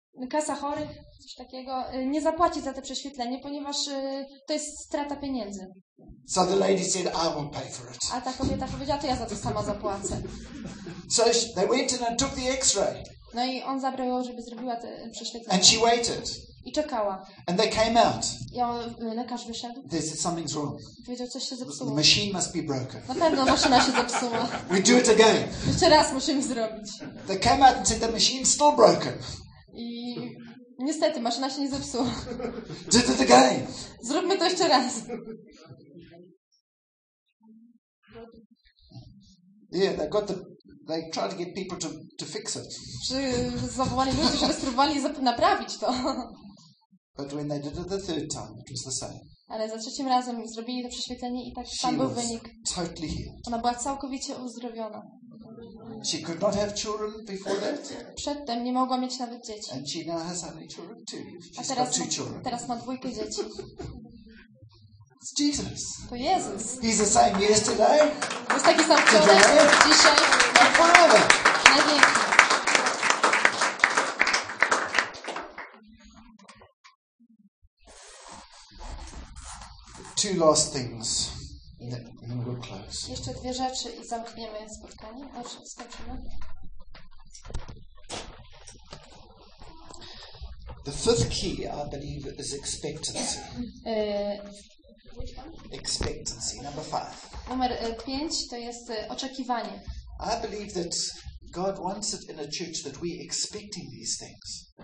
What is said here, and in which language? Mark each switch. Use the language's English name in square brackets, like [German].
[Polish] Kasa chorych, coś takiego, nie zapłaci za to prześwietlenie, ponieważ to jest strata pieniędzy. [English] So the lady said, "I won't pay for it." [Polish] A ta kobieta powiedziała, to ja za to sama zapłacę. [English] So they went in and took the X-ray. [Polish] No i on zabrał ją, żeby zrobiła to prześwietlenie. [English] And she waited. [Polish] I czekała. [English] And they came out. [Polish] Ja, lekarz wyszedł. [English] They said something's wrong. [Polish] Powiedział, coś się zepsuło. [English] The machine must be broken. [Polish] Na pewno maszyna się zepsuła. [English] We do it again. [Polish] Jeszcze raz musimy zrobić. [English] They came out and said the machine's still broken. [Polish] I niestety maszyna się nie zepsuła. [English] Did it again. [Polish] Zróbmy to jeszcze raz. [English] Yeah, they got the. They try to get people to fix it. [Polish] Czy zawołali ludzi, żeby spróbowali naprawić to? [English] But when they did it the third time, it was the same. [Polish] Ale za trzecim razem zrobili to prześwietlenie i tak sam był wynik. [English] Totally healed. [Polish] Ona była całkowicie uzdrowiona. [English] She could not have children before that. [Polish] Przedtem nie mogła mieć nawet dzieci. [English] And she now has only children too. She's got two children. [Polish] Teraz ma dwójkę dzieci. [English] It's Jesus. [Polish] To Jezus. [English] He's the same yesterday. [Polish] Jest taki sam wczoraj, dzisiaj. [English] My Father. [Polish] Najwięcej. [English] Two last things, and then we'll close. [Polish] Jeszcze dwie rzeczy i zamkniemy spotkanie. Dobrze, skończymy. [English] The fifth key, I believe, is expectancy. Expectancy number five. [Polish] Numer 5 to jest oczekiwanie. [English] I believe that God wants it in a church that we're expecting these things.